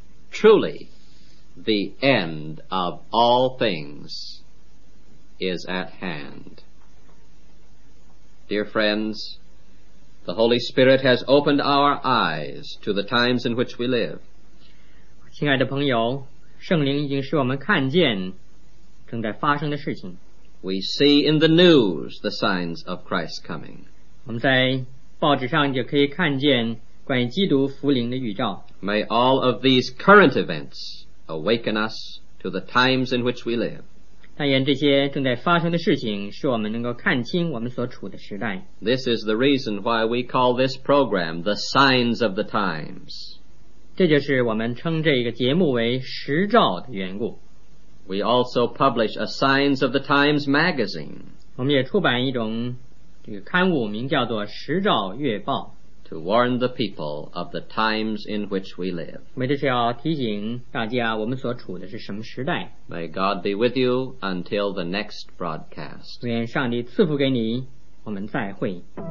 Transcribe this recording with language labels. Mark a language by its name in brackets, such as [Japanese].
[English] Truly, the end of all things is at hand. Dear friends, the Holy Spirit has opened our eyes to the times in which we live. [Chinese] 亲爱的朋友，圣灵已经使我们看见正在发生的事情。 [English] We see in the news the signs of Christ's coming. [Chinese] 我们在报纸上就可以看见关于基督复临的预兆。 [English] May all of these current events awaken us to the times in which we live. [Chinese] 但愿这些正在发生的事情使我们能够看清我们所处的时代。 [English] This is the reason why we call this program The Signs of the Times. [Chinese] 这就是我们称这个节目为时兆的缘故。 [English] We also publish a Signs of the Times magazine. [Chinese] 我们也出版一种这个刊物名叫做《时照月报》。 [English] To warn the people of the times in which we live. [Chinese] 我们这是要提醒大家我们所处的是什么时代。 [English] May God be with you until the next broadcast. [Chinese] 愿上帝赐福给你，我们再会。